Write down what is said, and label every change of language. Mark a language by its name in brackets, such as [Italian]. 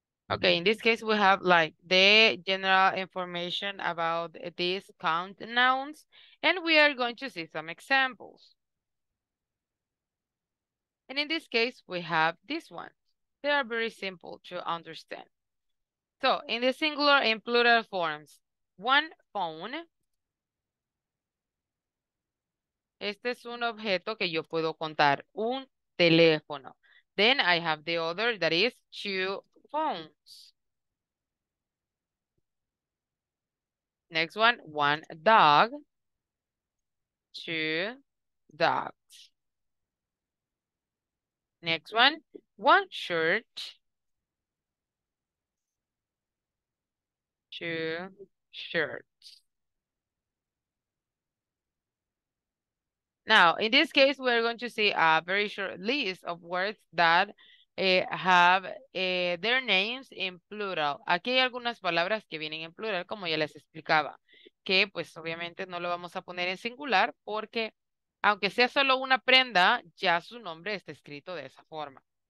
[English] Okay, in this case, we have like the general information about these count nouns, and we are going to see some examples. And in this case, we have this one. They are very simple to understand. So in the singular and plural forms, one phone. [Spanish] Este es un objeto que yo puedo contar, un teléfono. [English] Then I have the other, that is two phones. Next one, one dog, two dogs. Next one, one shirt, two shirts. Now, in this case, we're going to see a very short list of words that have their names in plural. [Spanish] Aquí hay algunas palabras que vienen en plural, como ya les explicaba, que pues obviamente no lo vamos a poner en singular porque aunque sea solo una prenda, ya su nombre está escrito de esa forma.